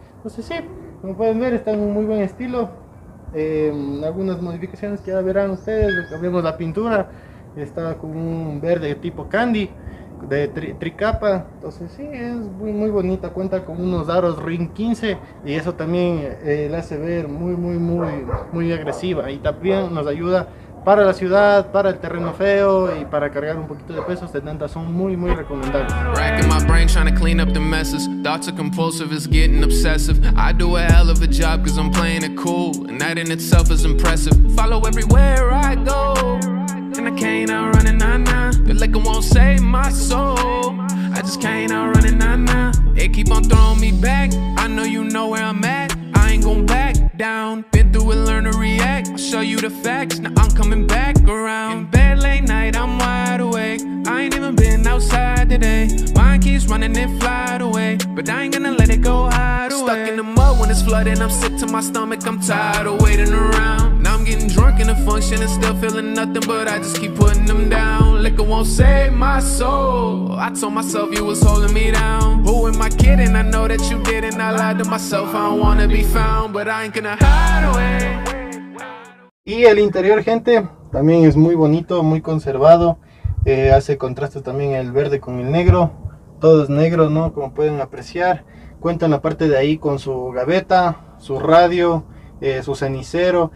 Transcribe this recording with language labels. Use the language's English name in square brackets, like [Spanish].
[Spanish] Entonces sí, como pueden ver, está en un muy buen estilo. Algunas modificaciones que ya verán ustedes, cambiamos la pintura, está con un verde tipo candy de tricapa, entonces sí, es muy, muy bonita, cuenta con unos aros ring 15 y eso también la hace ver muy agresiva y también nos ayuda para la ciudad, para el terreno feo y para cargar un poquito de peso, 70 son muy, muy recomendables. [English] Racking my brain trying to clean up the messes. Thoughts are compulsive, it's getting obsessive. I do a hell of a job cause I'm playing it cool. And that in itself is impressive. Follow everywhere I go. And I can't outrun it, nah, nah. Feel like I won't save my soul. I just can't outrun it, nah, nah. It keep on throwing me back. I know you know where I'm at. I ain't going back down. Been through it, learn to react. I'll show you the facts. Now I'm coming back around. In bed late night, I'm wide awake. I ain't even been outside today. Mind keeps running, it fly away. But I ain't gonna let it go hide away. Stuck in the mud when it's flooding. I'm sick to my stomach. I'm tired of waiting around. Now I'm getting drunk in the function and still feeling nothing. But I just keep putting them down. Liquor won't save my soul. I told myself you was holding me down. Who am I kidding? I know that you didn't. I lied to myself. I don't wanna be found. But I ain't gonna hide away. [Spanish] Y el interior, gente, también es muy bonito, muy conservado. Hace contraste también el verde con el negro. Todo es negro, ¿no? Como pueden apreciar. Cuenta en la parte de ahí con su gaveta, su radio, su cenicero.